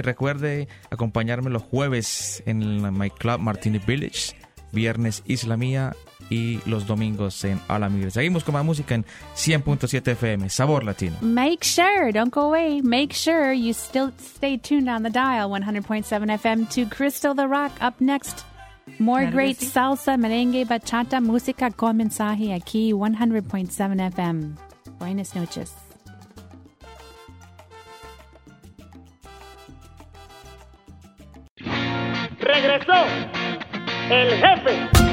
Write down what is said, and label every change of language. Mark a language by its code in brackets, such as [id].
[es] Y recuerde acompañarme los jueves en My Club Martini Village, viernes Isla Mía y los domingos en Ala Migre. Seguimos con más música en 100.7 FM. Sabor Latino. [en] Make sure, don't go away. Make sure you still stay tuned on the dial 100.7 FM to Crystal the Rock up next. More great salsa, merengue, bachata, [es] música con mensaje aquí, [en] 100.7 FM. [es] Buenas noches. Regresó el jefe.